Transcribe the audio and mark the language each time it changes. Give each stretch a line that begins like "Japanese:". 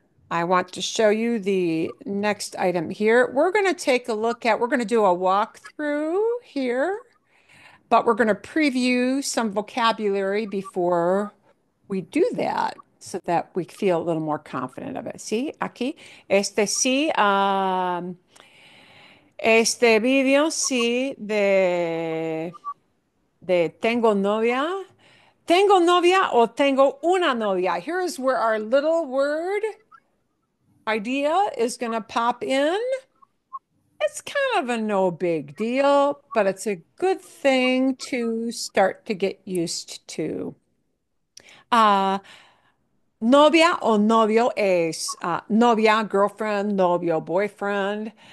English: I want to show you the next item here. We're going to take a look at, we're going to do a walkthrough here, but we're going to preview some vocabulary before we do that. So that we feel a little more confident of it.
Spanish: See, aquí, este sí, este video sí de tengo novia. Tengo novia o tengo una novia.
English: Here is where our little word idea is going to pop in. It's kind of a no big deal, but it's a good thing to start to get used to.
Spanish: Novia o novio es novia, girlfriend, novio, boyfriend.